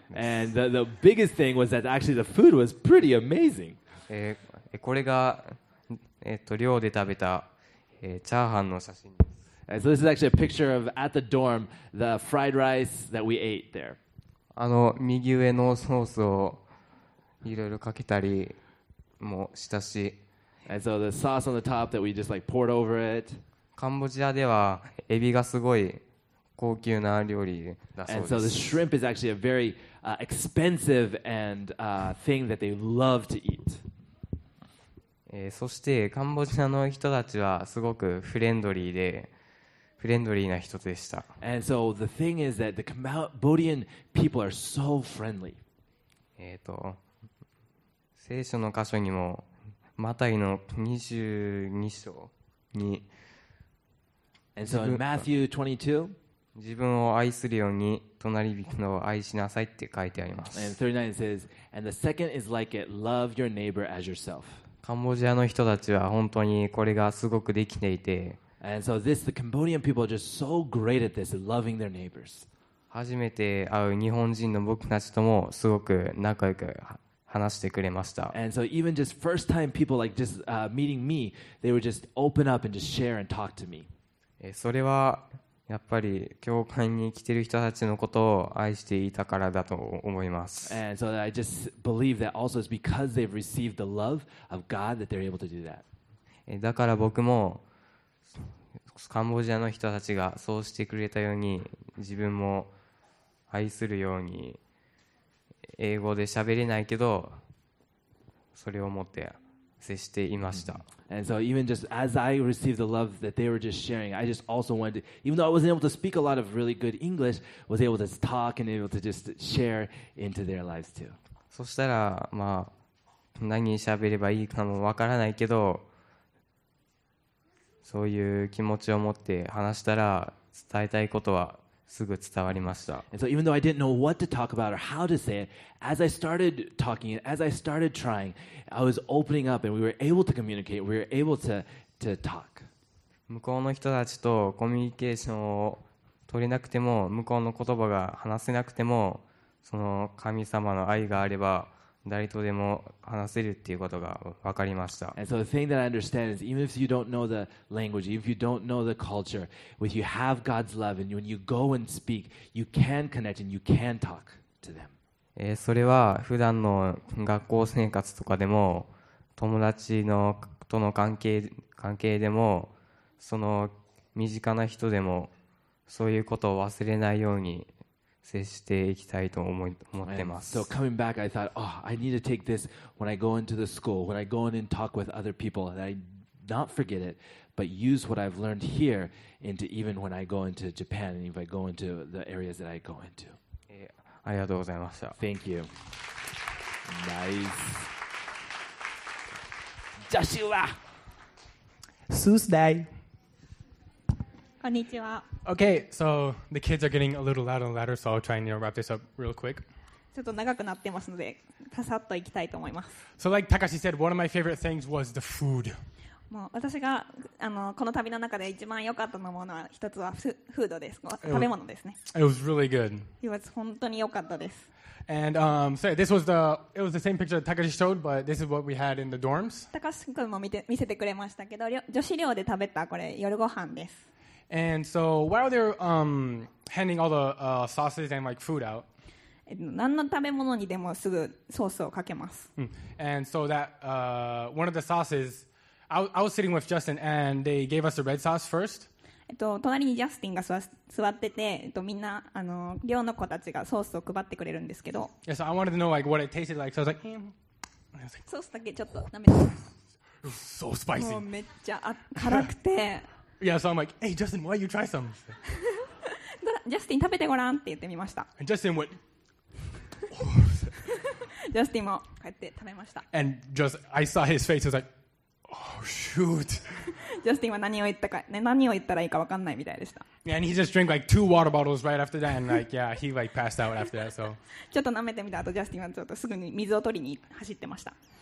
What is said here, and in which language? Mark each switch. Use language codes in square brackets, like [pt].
[en] And the biggest thing was that actually the food was pretty amazing. [ja] これが、寮で食べた、チャーハンの写真です。 [en] So this is actually a picture of at the dorm, the fried rice that we ate there. [ja] あの右上のソースをいろいろかけたりもしたし。 [en] And so the sauce on the top that we just like poured over it. [ja] カンボジアではエビがすごい高級な料理だそうです。 [en] And so the shrimp is actually a very, expensive and, thing that they love to eat. [ja] そしてカンボジアの人たちはすごくフレンドリーな人でした。 [en] And so the thing is that the Cambodian people are so friendly. [ja] 聖書の箇所にもマタイの22章に、 [en] And so in Matthew 22, [ja] 自分を愛するように隣人を愛しなさいって書いてあります。 [en] And 39 says, and the second is like it, love your neighbor as yourself. [ja] カンボジアの人たちは本当にこれがすごくできていて、 [en] And so this, the Cambodian people are just so great at this, loving their neighbors. [ja] 初めて会う日本人の僕たちともすごく仲良く話してくれました。 [en] And so even just first time people like just meeting me, they would just open up and just share and talk to me. [ja] それはやっぱり教会に来てる人たちのことを愛していたからだと思います。 [en] And so I just believe that also is because they've received the love of God that they're able to do that. [ja] だから僕もカンボジアの人たちがそうしてくれたように自分も愛するように英語で喋れないけどそれを持って接していました。 [en] And so even just as I received the love that they were just sharing, I just also wanted to, even though I wasn't able to speak a lot of really good English, was able to talk and able to just share into their lives too. [ja] そしたらまあ何喋ればいいかもわからないけどそういう気持ちを持って話したら伝えたいことはすぐ伝わりました。 [en] And so even though I didn't know what to talk about or how to say it, as I started talking, as I started trying, I was opening up and we were able to communicate, we were able to talk. [ja] 向こうの人たちとコミュニケーションを取れなくても、向こうの言葉が話せなくても、その神様の愛があれば、誰とでも話せるっていうことが分かりました。 [en] And so the thing that I understand is even if you don't know the language, even if you don't know the culture, if you have God's love and when you go and speak, you can connect and you can talk to them. [ja] それは普段の学校生活とかでも友達のとの関係でもその身近な人でもそういうことを忘れないように接していきたいと思ってます。 [en] So coming back, I thought, oh, I need to take this when I go into the school, when I go in and talk with other people, and I not forget it, but use what I've learned here into even when I go into Japan and if I go into the areas that I go into. [ja] ありがとうございました。 [en] Thank you. Nice. Joshua. Tuesday. [ja] Konnichiwa. [en] Okay, so the kids are getting a little louder and louder, so I'll try and you know, wrap this up real quick. [ja] ちょっと長くなってますので、ささっと行きたいと思います。 [en] So like Takashi said, one of my favorite things was the food. [ja] もう私があのこの旅の中で一番良かったのものは一つはフードです。食べ物ですね。 [en] It was really good. It was [ja] 本当に良かったです。 [en] And so this was it was the same picture that Takashi showed, but this is what we had in the dorms. [ja] Takashi 君も見せてくれましたけど、女子寮で食べたこれ夜ご飯です。 [en] And so while they're handing all the sauces and like food out, [ja] 何の食べ物にでもすぐソースをかけます。 [en] And so that one of the sauces, I was sitting with Justin, and they gave us the red sauce first. [ja] 隣にジャスティンが座っててみんなあの寮の子たちがソースを配ってくれるんですけど。 [en] Yeah, so I wanted to know like what it tasted like. So I was like, [ja] ソースだけちょっと舐めて。 [en] So spicy. [ja] もうめっちゃ辛くて。 [en] Yeah, so I'm like, hey, Justin, why don't you try some? [ja] Justin, 食べてごらんって言ってみました。 [en] And Justin went, oh. [ja] Justin もこうやって食べました。 [en] And just, I saw his face, I was like, oh, shoot. [ja] Justin は何を言ったらいいか分かんないみたいでした。 [en] And he just drank like two water bottles right after that, and like, yeah, he like passed out after that, so. [ja] ちょっと舐めてみた後、Justin はちょっとすぐに水を取りに走ってました。